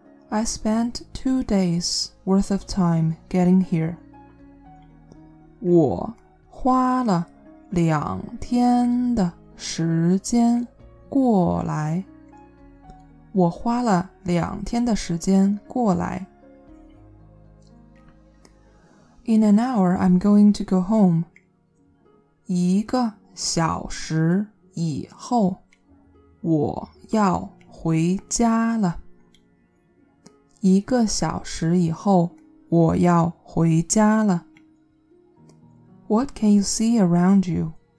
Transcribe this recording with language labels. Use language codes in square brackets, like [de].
[en] I spent 2 days worth of time getting here. [zh] 我花了两天的时间过来。我花了两天的时间过来。 [en] In an hour, I'm going to go home. [zh] 一个小时以后，我要回家了。一个小时以后，我要回家了。 [en] What can you see around you?